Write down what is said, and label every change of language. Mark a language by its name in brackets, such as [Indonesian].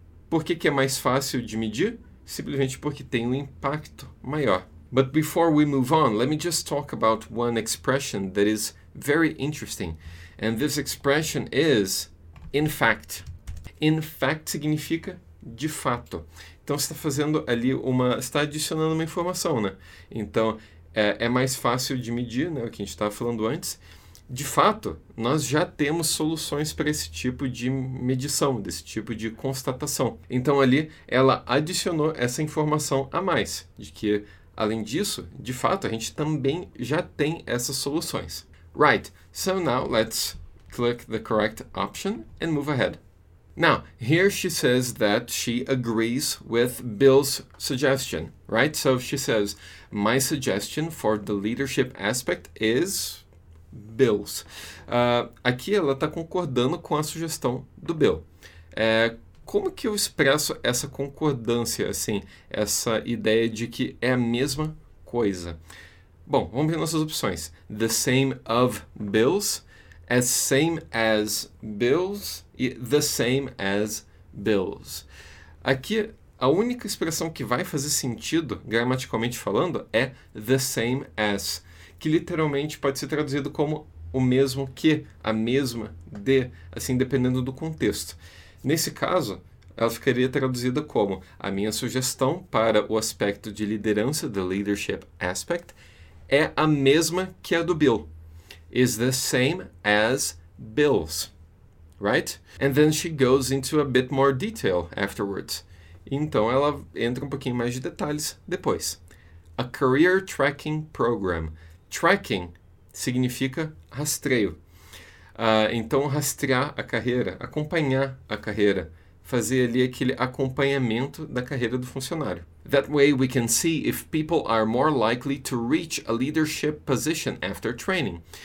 [Portuguese] Por que que é mais fácil de medir? Simplesmente porque tem um impacto maior. [English] But before we move on, let me just talk about one expression that is very interesting. And this expression is in fact. In fact [Portuguese] significa de fato. Então você está fazendo ali está adicionando uma informação, né? Então é mais fácil de medir, né? O que a gente estava falando antes. De fato, nós já temos soluções para esse tipo de medição, desse tipo de constatação. Então ali ela adicionou essa informação a mais, de que além disso, de fato, a gente também já tem essas soluções. [English] Right. So now let's click the correct option and move ahead. Now, here she says that she agrees with Bill's suggestion, right? So she says, "My suggestion for the leadership aspect is Bill's." [Portuguese] Aqui ela está concordando com a sugestão do Bill. Como que eu expresso essa concordância, assim, essa ideia de que é a mesma coisa? Bom, vamos ver nossas opções. [English] The same of Bill's. As same as bills e the same as bills. [Portuguese] Aqui, a única expressão que vai fazer sentido, gramaticalmente falando, é the same as, que literalmente pode ser traduzido como o mesmo que, a mesma de, assim, dependendo do contexto. Nesse caso, ela ficaria traduzida como: a minha sugestão para o aspecto de liderança, [English] the leadership aspect, [Portuguese] é a mesma que a do Bill. [English] Is the same as bills, right? And then she goes into a bit more detail afterwards. [Portuguese] Então ela entra um pouquinho mais de detalhes depois. [English] A career tracking program. [Portuguese] Tracking significa rastreio. Então rastrear a carreira, acompanhar a carreira, fazer ali aquele acompanhamento da carreira do funcionário. [English] That way we can see if people are more likely to reach a leadership position after training.